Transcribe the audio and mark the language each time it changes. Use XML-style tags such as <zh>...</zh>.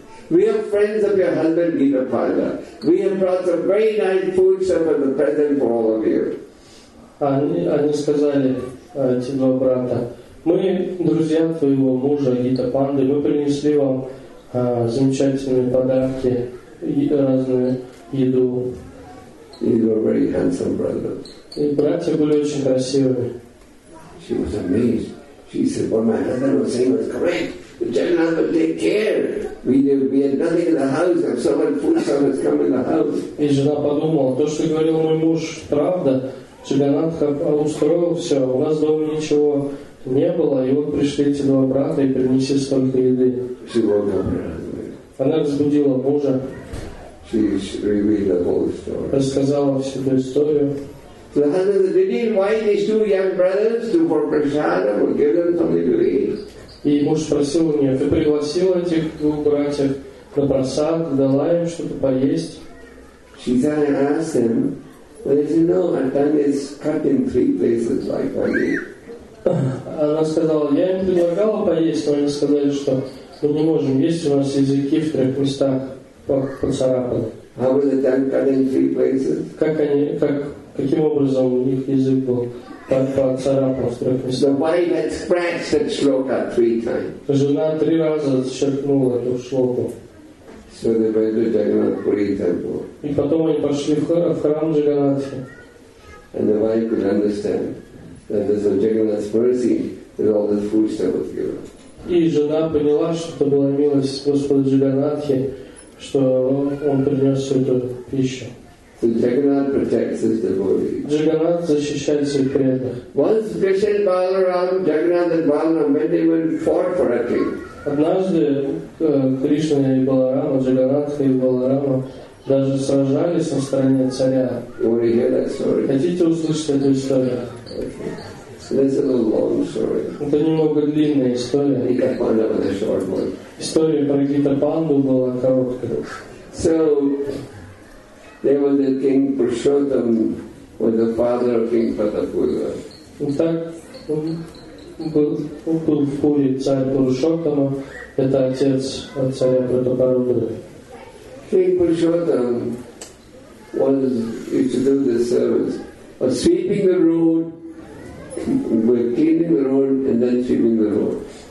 <en>"We are friends of your husband, Gita Panda. We have brought some very nice food for the present for all of you."</en> <ru>Они сказали, эти два брата, "Мы друзья твоего мужа, Гита Панды. Мы принесли вам замечательные подарки и разную еду."</ru> <en>These were very handsome brothers.</en> <ru>И братья были очень красивыми.</ru> <en>She was amazed. She said, "What my husband was saying was correct. Jagannath will take care. We have nothing in the house.</en> <ru>И жена подумала, то, что говорил мой муж, правда. Jagannath устроил все. У нас дома ничего не было. И вот пришли эти два брата и принесли столько еды.</ru> <en>She woke up her husband.</en> <ru>Она разбудила мужа.</ru> <en>She revealed the whole story. So the husband said, "Did you invite these two young brothers to for prasada? We'll give them something to eat."</en> <ru>И муж спросил у нее, "Ты пригласил этих двух братьев на просад, дала им что-то поесть?"</ru> <en>She said, "I asked them, but as you know, my tongue is cut in three places like my knee."</en> <ru>Она сказала, "Я им предлагала поесть, но они сказали, что мы не можем есть, у нас языки в трех местах поцарапаны."</ru> <en>How was the tongue cut in three places?</en> <ru>Каким образом у них язык был поцарапан в трех местах?</ru> <en>The wife had scratched that shloka three times.</en> <ru>Жена три раза зачеркнула эту шлоку.</ru> <en>So they went to Jagannath Puri temple.</en> <ru>И потом они пошли в храм Джаганатхи.</ru> <en>And the wife could understand that there's a Jagannath's mercy that all this food stuff was given.</en> <ru>И жена поняла, что это была милость Господа Джаганатхи, что он принес всю эту пищу.</ru> <en>So Jagannath protects his devotees.</en> <ru>Jagannath защищает своих преданных.</ru> <en>Once Krishna and Balaram, Jagannath and Balaram, when they went fought for a king.</en> <ru>Однажды Кришна и Баларама, Джаганатха и Баларама даже сражались на стороне царя.</ru> <en>You want to hear that story?</en> <ru>Хотите услышать эту историю?</ru> <en>Okay. That's a little long story.</en> <ru>Это немного длинная история.</ru> <en>Gita Panda was a short one.</en> <ru>История про Гита Панду была короткая.</ru> <en>So there was a king, Purushottam, was the father of King Pratapurva.</en> <ru>Итак, был в Пури царь Пурушоттама, это отец от царя Пратапурвы.</ru> <en>King Purushottam used to do this service of sweeping the road, cleaning the road, and then sweeping the road.</en>